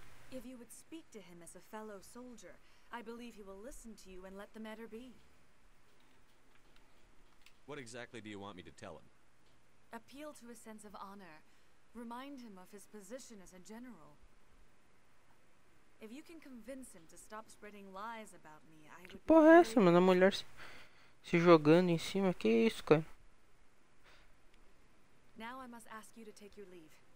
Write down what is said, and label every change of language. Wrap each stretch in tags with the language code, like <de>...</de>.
<en>If you would speak to him as a fellow soldier, I believe he will listen to you and let the matter be. What exactly do you want me to tell him? Appeal to a sense of honor. Remind him of his position as a general. If you can convince him to stop spreading lies about me, I would.</en> <pt>Que porra é essa, mano? A mulher se jogando em cima. Que isso, cara?</pt> <en>Now I must ask you to take your leave.</en>